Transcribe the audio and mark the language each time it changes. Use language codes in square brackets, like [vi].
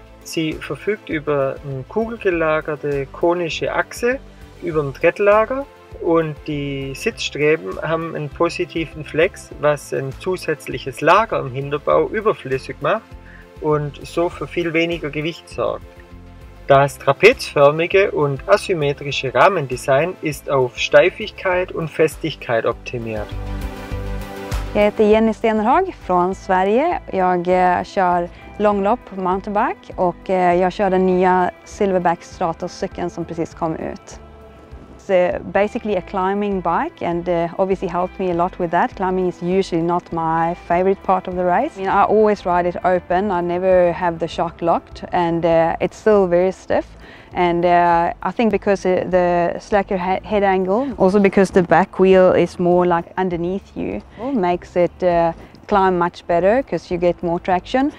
[de] Sie verfügt über eine kugelgelagerte konische Achse, über ein Drehlager und die Sitzstreben haben einen positiven Flex, was ein zusätzliches Lager im Hinterbau überflüssig macht und so für viel weniger Gewicht sorgt. Das trapezförmige und asymmetrische Rahmendesign ist auf Steifigkeit und Festigkeit optimiert. [sv] Jag heter Jenny Stenerhag från Sverige. Jag kör långlopp på mountainbike och jag kör den nya Silverback Stratos-cykeln som precis kom ut. [en] It's basically a climbing bike and obviously helped me a lot with that. Climbing is usually not my favorite part of the race. I mean, I always ride it open. I never have the shock locked and it's still very stiff. And I think because the slacker head angle, also because the back wheel is more like underneath you, makes it climb much better because you get more traction.